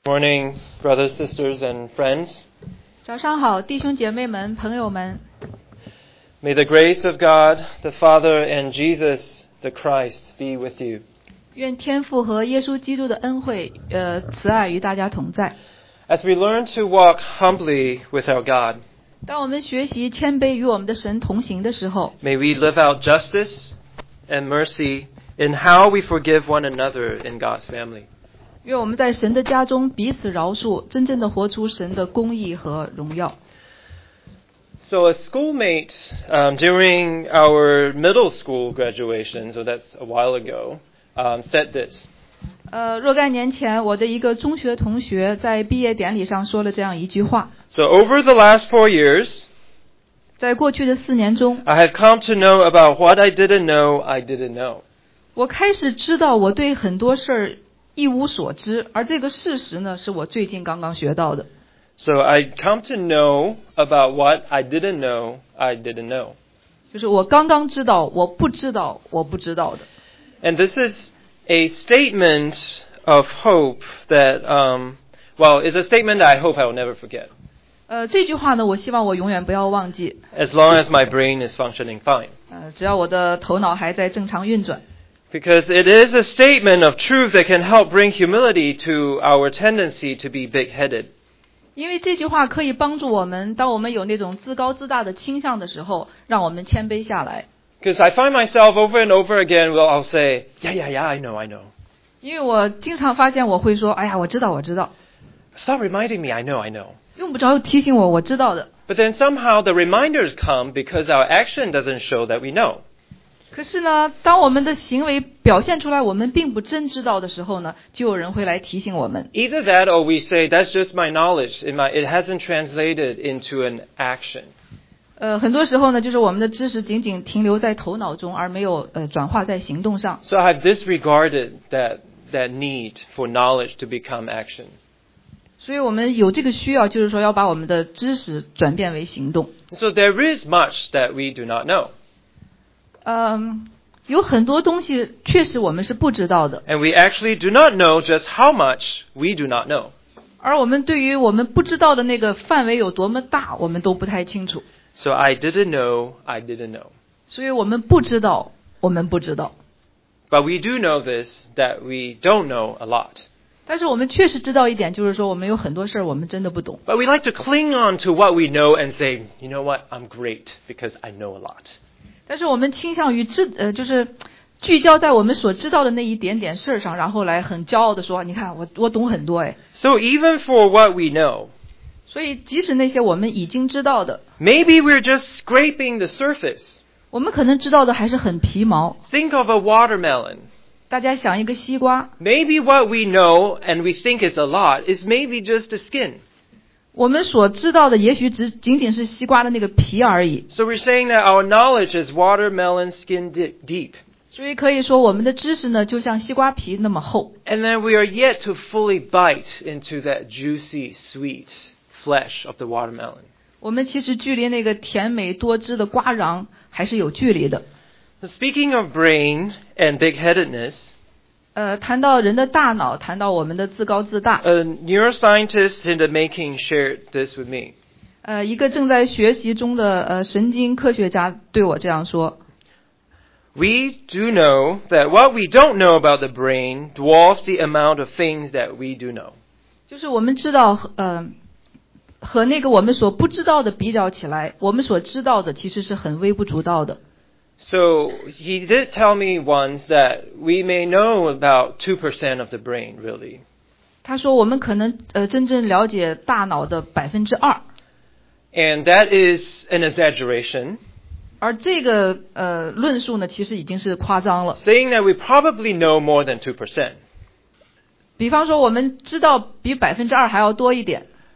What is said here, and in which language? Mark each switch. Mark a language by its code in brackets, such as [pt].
[en] Morning, brothers, sisters, and friends. [zh] 早上好，弟兄姐妹们，朋友们。 [en] May the grace of God, the Father, and Jesus, the Christ, be with you. [zh] 愿天父和耶稣基督的恩惠，慈爱与大家同在。 [en] As we learn to walk humbly with our God, [zh] 当我们学习谦卑与我们的神同行的时候， [en] May we live out justice and mercy in how we forgive one another in God's family. [zh] 愿我们在神的家中彼此饶恕，真正的活出神的公义和荣耀。 [en] So a schoolmate, during our middle school graduation, so that's a while ago, said this. [zh] 若干年前，我的一个中学同学在毕业典礼上说了这样一句话。 [en] So over the last 4 years, [zh] 在过去的四年中， [en] I have come to know about what I didn't know I didn't know. [zh] 我开始知道我对很多事儿一无所知，而这个事实呢，是我最近刚刚学到的。 [en] So I come to know about what I didn't know I didn't know. [zh] 就是我刚刚知道，我不知道，我不知道的。 [en] And this is a statement of hope that, it's a statement that I hope I will never forget. [zh] 这句话呢，我希望我永远不要忘记。 [en] As long as my brain is functioning fine. [zh] 只要我的头脑还在正常运转。 [en] Because it is a statement of truth that can help bring humility to our tendency to be big-headed. [zh] 因为这句话可以帮助我们，当我们有那种自高自大的倾向的时候，让我们谦卑下来。 [en] Because I find myself over and over again, well, I'll say, yeah, yeah, yeah, I know, I know. [zh] 因为我经常发现我会说，哎呀，我知道，我知道。 [en] Stop reminding me, I know, I know. [zh] 用不着提醒我，我知道的。 [en] But then somehow the reminders come because our action doesn't show that we know. [zh] 可是呢，当我们的行为表现出来，我们并不真知道的时候呢，就有人会来提醒我们。 [en] Either that, or we say that's just my knowledge. It hasn't translated into an action. [zh] 很多时候呢，就是我们的知识仅仅停留在头脑中，而没有转化在行动上。 [en] So I've disregarded that need for knowledge to become action. [zh] 所以我们有这个需要，就是说要把我们的知识转变为行动。 [en] So there is much that we do not know. [zh] 有很多东西确实我们是不知道的。 [en] And we actually do not know just how much we do not know. [zh] 而我们对于我们不知道的那个范围有多么大，我们都不太清楚。 [en] So I didn't know, I didn't know. [zh] 所以我们不知道，我们不知道。 [en] But we do know this, that we don't know a lot. [zh] 但是我们确实知道一点，就是说我们有很多事我们真的不懂。 [en] But we like to cling on to what we know and say, you know what, I'm great because I know a lot. [zh] 但是我们倾向于就是聚焦在我们所知道的那一点点事上，然后来很骄傲地说，你看我懂很多。 [en] So even for what we know, [zh] 所以即使那些我们已经知道的， [en] Maybe we're just scraping the surface. [zh] 我们可能知道的还是很皮毛。 [en] Think of a watermelon. [zh] 大家想一个西瓜。 [en] Maybe what we know and we think is a lot is maybe just the skin. [zh] 我们所知道的也许只仅仅是西瓜的那个皮而已。 [en] So we're saying that our knowledge is watermelon skin deep. [zh] 所以可以说我们的知识呢就像西瓜皮那么厚。 [en] And then we are yet to fully bite into that juicy, sweet flesh of the watermelon. [zh] 我们其实距离那个甜美多汁的瓜瓤还是有距离的。 [en] So speaking of brain and big-headedness, [zh] 谈到人的大脑，谈到我们的自高自大。 [en] Neuroscientist in the making shared this with me. [zh] 一个正在学习中的神经科学家对我这样说。 [en] We do know that what we don't know about the brain dwarfs the amount of things that we do know. [zh] 就是我们知道和那个我们所不知道的比较起来，我们所知道的其实是很微不足道的。 [en] So he did tell me once that we may know about 2% of the brain, really. [zh] 他说我们可能真正了解大脑的2%。 [en] And that is an exaggeration. [zh] 而这个论述呢，其实已经是夸张了。 [en] Saying that we probably know more than 2%. [zh] 比方说我们知道比2%还要多一点。